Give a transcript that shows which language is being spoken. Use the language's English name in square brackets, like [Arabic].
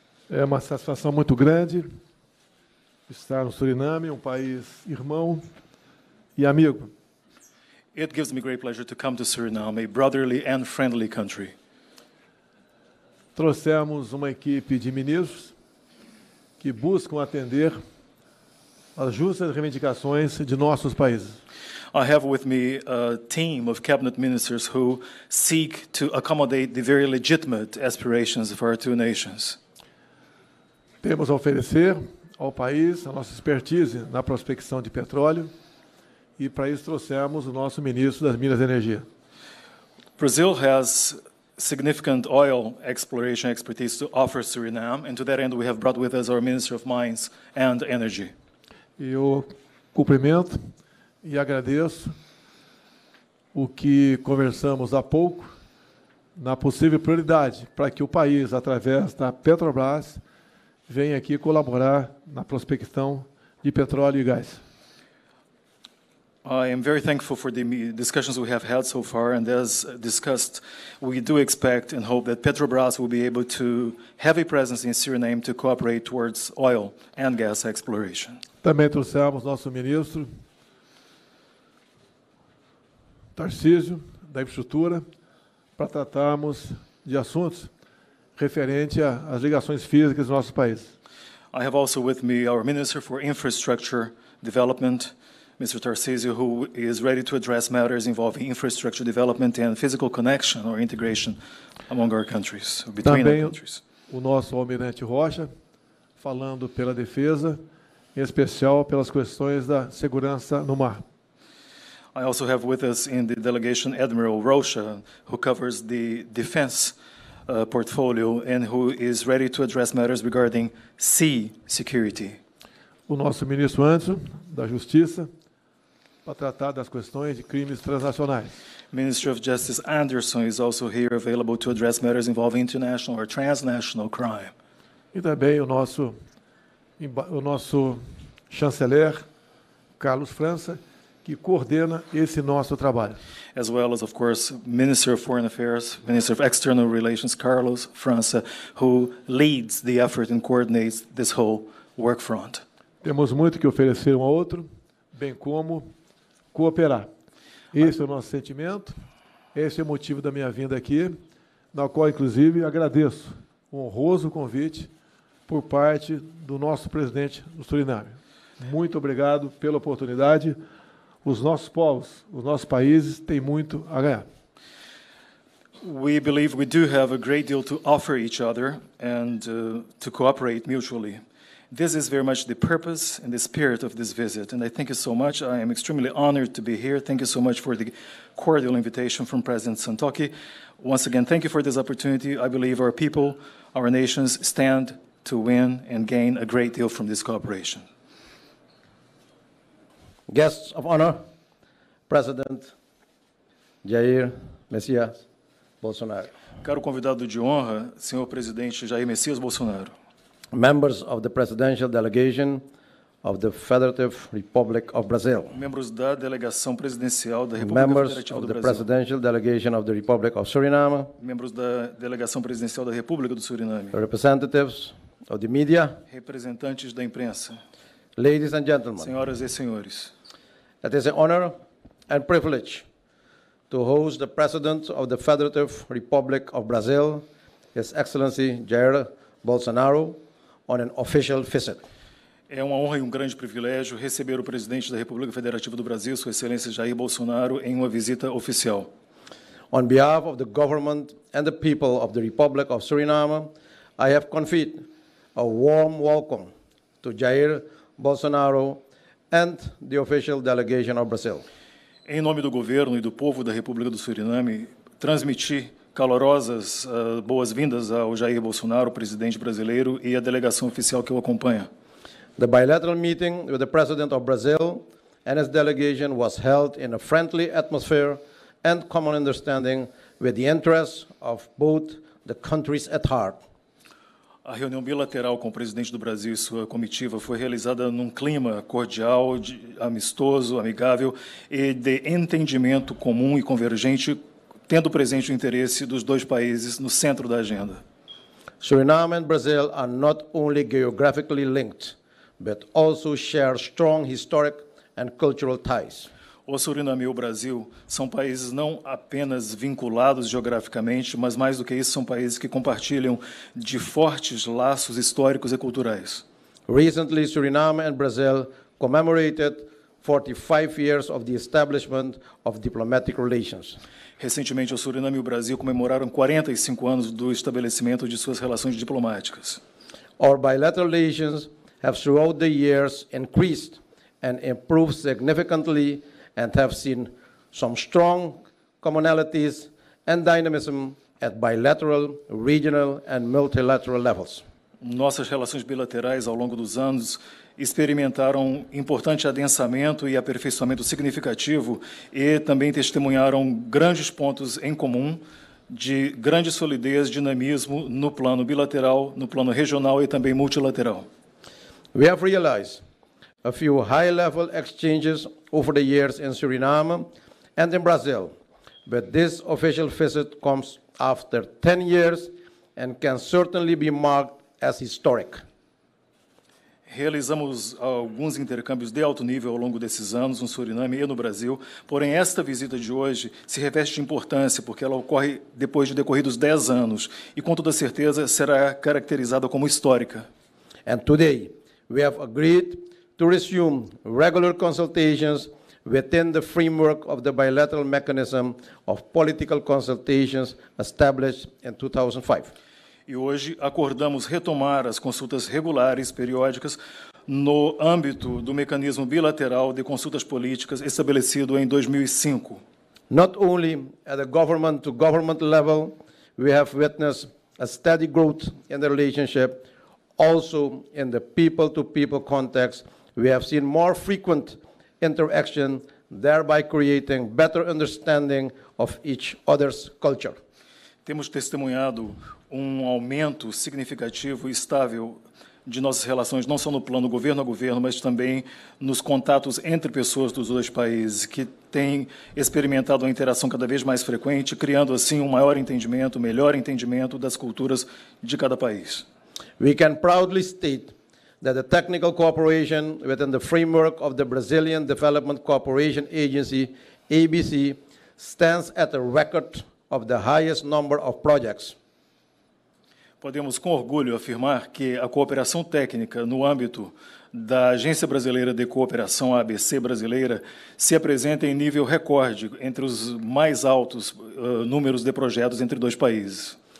[Portuguese] É uma satisfação muito grande estar no Suriname, um país irmão e amigo. [English] It gives me great pleasure to come to Suriname, a brotherly and friendly country. [Portuguese] Trouxemos uma equipe de ministros que buscam atender as justas reivindicações de nossos países. [English] I have with me a team of cabinet ministers who seek to accommodate the very legitimate aspirations of our two nations. [Portuguese] Temos a oferecer ao país a nossa expertise na prospecção de petróleo e para isso trouxemos o nosso ministro das Minas e Energia. [English] Brazil has significant oil exploration expertise to offer Suriname, and to that end, we have brought with us our Minister of Mines and Energy. [Portuguese] Eu cumprimento e agradeço o que conversamos há pouco na possível prioridade para que o país, através da Petrobras, venha aqui colaborar na prospecção de petróleo e gás. [English] I am very thankful for the discussions we have had so far, and as discussed, we do expect and hope that Petrobras will be able to have a presence in Suriname to cooperate towards oil and gas exploration. [Portuguese] Também trouxemos nosso ministro Tarcísio da Infraestrutura para tratarmos de assuntos referente às ligações físicas do nosso país. [English] I have also with me our Minister for Infrastructure Development, Mr. Tarcísio, who is ready to address matters involving infrastructure development and physical connection or integration among our countries, or between [Portuguese] também [English] our countries. [Portuguese] O nosso Almirante Rocha, falando pela defesa, em especial pelas questões da segurança no mar. [English] I also have with us in the delegation Admiral Rocha, who covers the defense portfolio and who is ready to address matters regarding sea security. [Portuguese] O nosso ministro Anderson, da Justiça, para tratar das questões de crimes transnacionais. [English] Minister of Justice Anderson is also here available to address matters involving international or transnational crime. [Portuguese] E também o nosso chanceler Carlos França, que coordena esse nosso trabalho. [English] As well as of course Minister of Foreign Affairs, Minister of External Relations Carlos França, who leads the effort and coordinates this whole work front. [Portuguese] Temos muito que oferecer um ao outro, bem como cooperar. Esse é o nosso sentimento, esse é o motivo da minha vinda aqui, na qual, inclusive, agradeço o honroso convite por parte do nosso presidente do Suriname. Muito obrigado pela oportunidade. Os nossos povos, os nossos países têm muito a ganhar. [English] We believe we do have a great deal to offer each other and to cooperate mutually. This is very much the purpose and the spirit of this visit, and I thank you so much. I am extremely honored to be here. Thank you so much for the cordial invitation from President Santoki. Once again, thank you for this opportunity. I believe our people, our nations, stand to win and gain a great deal from this cooperation. Guests of honor, President Jair Messias Bolsonaro. [Portuguese] Caro convidado de honra, senhor presidente Jair Messias Bolsonaro. [English] Members of the presidential delegation of the Federative Republic of Brazil. [Portuguese] Membros da delegação presidencial da República [English] Members [Portuguese] Federativa do Brasil. [English] Members of the presidential delegation of the Republic of Suriname. [Portuguese] Membros da delegação presidencial da República do Suriname. [English] Representatives of the media. [Portuguese] Representantes da imprensa. [English] Ladies and gentlemen. [Portuguese] Senhoras e senhores. [English] It is an honor and privilege to host the President of the Federative Republic of Brazil, His Excellency Jair Bolsonaro, on an official visit. [Portuguese] É uma honra e um grande privilégio receber o presidente da República Federativa do Brasil, Sua Excelência Jair Bolsonaro, em uma visita oficial. [English] On behalf of the government and the people of the Republic of Suriname, I have conveyed a warm welcome to Jair Bolsonaro and the official delegation of Brazil. [Portuguese] Em nome do governo e do povo da República do Suriname, transmiti calorosas boas-vindas ao Jair Bolsonaro, presidente brasileiro, e à delegação oficial que o acompanha. [English] The bilateral meeting with the president of Brazil and his delegation was held in a friendly atmosphere and common understanding with the interests of both the countries at heart. [Portuguese] A reunião bilateral com o presidente do Brasil e sua comitiva foi realizada num clima cordial, amistoso, amigável e de entendimento comum e convergente, tendo presente o interesse dos dois países no centro da agenda. [English] Suriname and Brazil are not only geographically linked, but also share strong historic and cultural ties. [Portuguese] O Suriname e o Brasil são países não apenas vinculados geograficamente, mas mais do que isso, são países que compartilham de fortes laços históricos e culturais. [English] Recently, Suriname and Brazil commemorated 45 years of the establishment of diplomatic relations. [Portuguese] Recentemente, o Suriname e o Brasil comemoraram 45 anos do estabelecimento de suas relações diplomáticas. [English] Our bilateral relations have throughout the years increased and improved significantly and have seen some strong commonalities and dynamism at bilateral, regional and multilateral levels. [Portuguese] Nossas relações bilaterais ao longo dos anos experimentaram importante adensamento e aperfeiçoamento significativo e também testemunharam grandes pontos em comum de grande solidez, dinamismo no plano bilateral, no plano regional e também multilateral. [English] We have realized a few high-level exchanges over the years in Suriname and in Brazil, but this official visit comes after 10 years and can certainly be marked as historic. [Portuguese] Realizamos alguns intercâmbios de alto nível ao longo desses anos no Suriname e no Brasil, porém esta visita de hoje se reveste de importância porque ela ocorre depois de decorridos 10 anos e com toda certeza será caracterizada como histórica. [English] And today, we have agreed to resume regular consultations within the framework of the bilateral mechanism of political consultations established in 2005. [Portuguese] E hoje acordamos retomar as consultas regulares, periódicas, no âmbito do mecanismo bilateral de consultas políticas estabelecido em 2005. [English] Not only at a government-to-government level, we have witnessed a steady growth in the relationship. Also, in the people-to-people context, we have seen more frequent interaction, thereby creating better understanding of each other's culture. [Portuguese] Temos testemunhado um aumento significativo e estável de nossas relações, não só no plano governo a governo, mas também nos contatos entre pessoas dos dois países, que têm experimentado uma interação cada vez mais frequente, criando assim um maior entendimento, melhor entendimento das culturas de cada país. [English] We can proudly state that the technical cooperation within the framework of the Brazilian Development Cooperation Agency, ABC, stands at a record of the highest number of projects. [Portuguese] Podemos com orgulho afirmar que a cooperação técnica no âmbito da Agência Brasileira de Cooperação, ABC Brasileira, se apresenta em nível recorde entre os mais altos números de projetos entre dois países.